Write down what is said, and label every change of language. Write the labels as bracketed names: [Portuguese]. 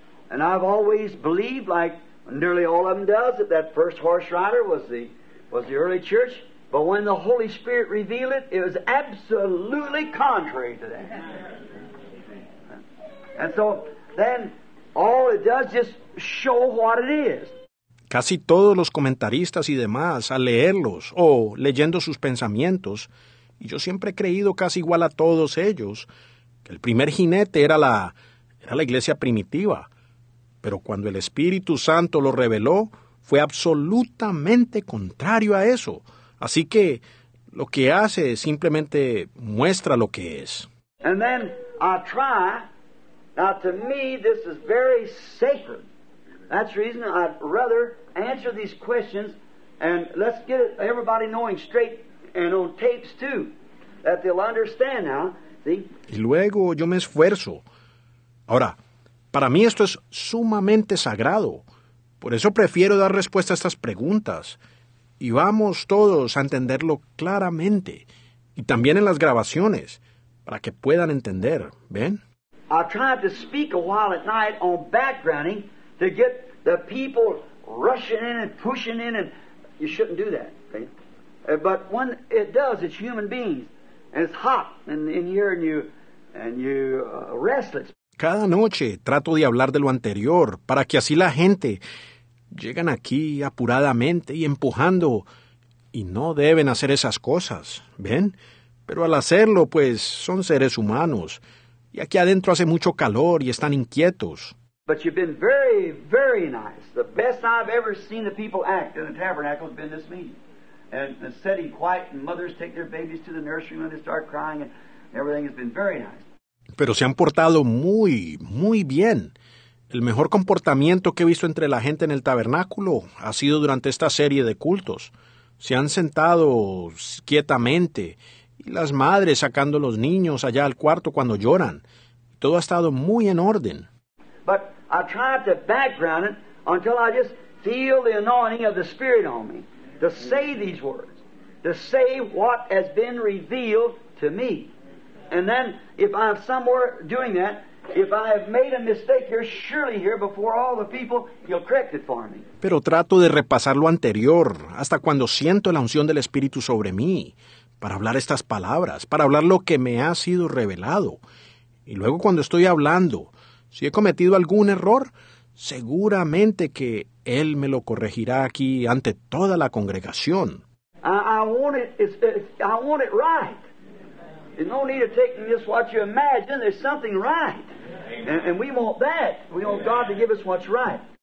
[English] And I've always believed, like nearly all of them does, that first horse rider was the early church. But when the Holy Spirit revealed it, it was absolutely contrary to that. And so then all it does just show what it is. [Spanish] Casi todos los comentaristas y demás, al leerlos o leyendo sus pensamientos, y yo siempre he creído casi igual a todos ellos, que el primer jinete era la iglesia primitiva. Pero cuando el Espíritu Santo lo reveló, fue absolutamente contrario a eso. Así que lo que hace es simplemente muestra lo que es. [English] And then I try. Now to me, this is very sacred. That's the reason I'd rather answer these questions and let's get everybody knowing straight and on tapes too, that they'll understand now. See? [Spanish] Y luego yo me esfuerzo. Ahora, para mí esto es sumamente sagrado. Por eso prefiero dar respuesta a estas preguntas. Y vamos todos a entenderlo claramente. Y también en las grabaciones, para que puedan entender. ¿Ven? [English] I tried to speak a while at night on backgrounding to get the people rushing in and pushing in. And you shouldn't do that. Okay? But when it does, it's human beings. And it's hot in here and you restless. [Spanish] Cada noche trato de hablar de lo anterior para que así la gente llegan aquí apuradamente y empujando y no deben hacer esas cosas, ¿ven? Pero al hacerlo, pues, son seres humanos y aquí adentro hace mucho calor y están inquietos. [English] But you've been very, very nice. The best I've ever seen the people act in a tabernacle has been this meeting. And sitting quiet and mothers take their babies to the nursery when they start crying and everything has been very nice. [Spanish] Pero se han portado muy, muy bien. El mejor comportamiento que he visto entre la gente en el tabernáculo ha sido durante esta serie de cultos. Se han sentado quietamente y las madres sacando los niños allá al cuarto cuando lloran. Todo ha estado muy en orden. [English] But I tried to background it until I just feel the anointing of the Spirit on me to say these words, to say what has been revealed to me. And then, if I'm somewhere doing that, if I have made a mistake here, surely here before all the people, he'll correct it for me. [Spanish] Pero trato de repasar lo anterior, hasta cuando siento la unción del Espíritu sobre mí, para hablar estas palabras, para hablar lo que me ha sido revelado. Y luego cuando estoy hablando, si he cometido algún error, seguramente que él me lo corregirá aquí ante toda la congregación. [English] I want it right. There's no need of taking just what you imagine. There's something right. And we want that. We want God to give us what's right.